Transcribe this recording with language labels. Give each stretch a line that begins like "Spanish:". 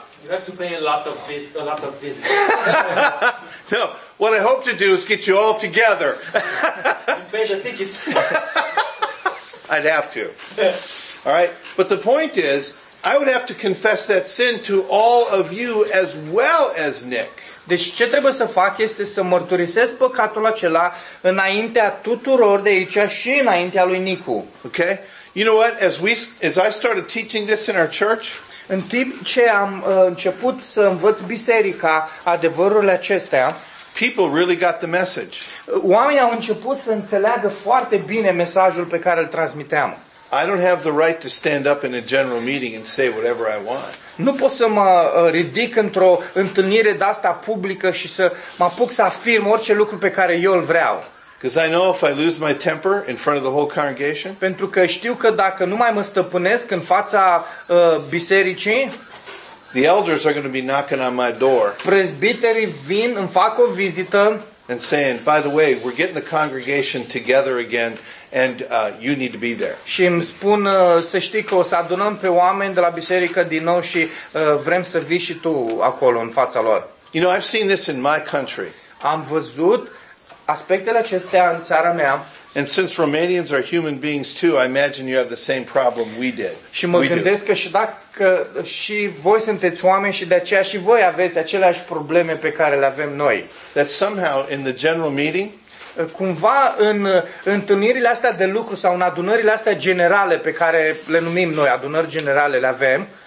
English: You have to pay a lot of visits. No. What I hope to do is get you all together. You pay the tickets. I'd have to. All right? But the point is, I would have to confess that sin to all of you as well as Nick.
Romanian: Deci ce trebuie să fac este să mărturisesc păcatul acela înaintea tuturor de aici și înaintea lui Nicu.
English: Okay? You know what? As I started teaching this in our church,
Romanian: în timp ce am început să învăț biserica adevărurile acestea,
English: people really got the message.
Romanian: Oamenii au început să înțeleagă foarte bine mesajul pe care îl transmiteam.
English: I don't have the right to stand up in a general meeting and say whatever I want.
Romanian: Nu pot să mă ridic într-o întâlnire de asta publică și să mă apuc să afirm orice lucru pe care eu îl vreau.
English: Because I know if I lose my temper in front of the whole congregation,
Romanian: pentru că știu că dacă nu mai mă stăpânesc în fața bisericii,
English: the elders are going to be knocking on my door.
Romanian: Presbiterii vin, îmi fac o vizită.
English: And saying, by the way, we're getting the congregation together again, and you need to be there.
Romanian: Și îmi spun, să știi că o să adunăm pe oameni de la biserică din nou și vrem să vii și tu acolo în fața lor.
English: You know, I've seen this in my country.
Romanian: Am văzut aspectele acestea în țara mea.
English: And since Romanians are human beings too, I imagine you have the same problem we did.
Romanian: Și mă gândesc că și dacă și voi sunteți oameni și de aceea și voi aveți aceleași probleme pe care le avem noi.
English: That somehow in the general meeting,
Romanian: cumva în întâlnirile astea de lucru sau în adunările astea generale pe care le numim noi, adunări generale le avem,